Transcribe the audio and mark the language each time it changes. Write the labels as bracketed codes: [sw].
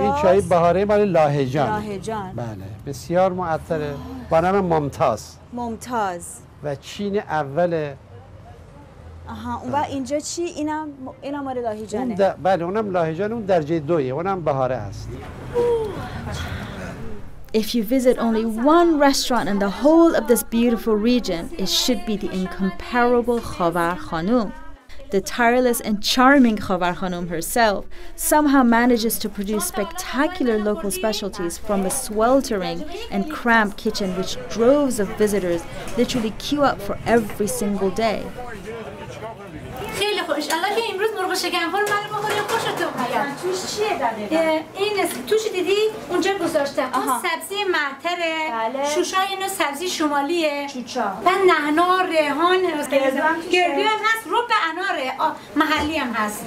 [fa] این چای بهاره مال لاهیجان. لاهیجان. بله. بسیار معطره. با نام ممتاز. ممتاز. و چین اول آها اون بله. اینجا چی اینم مال لاهیجانه اون بله اونم لاهیجان اون درجه 2 اونم بهاره است [en] If you visit only one restaurant in the whole of this beautiful region it should be the incomparable Khavar Khanum The tireless and charming Khavar Khanum herself somehow manages to produce spectacular local specialties from a sweltering and cramped kitchen which droves of visitors literally queue up for every single day [fa] خیلی خوش. الله که امروز مرغ شکم فرم مال بخوری خوشت اومد. توش چیه دقیقا؟ این توش دیدی اونجا گذاشته. آها. اون سبزی معطره. بله. شوشا اینو سبزی شمالیه. چوچا. و نعنا، ریحان، گردو هم هست، رب انار محلی هم هست.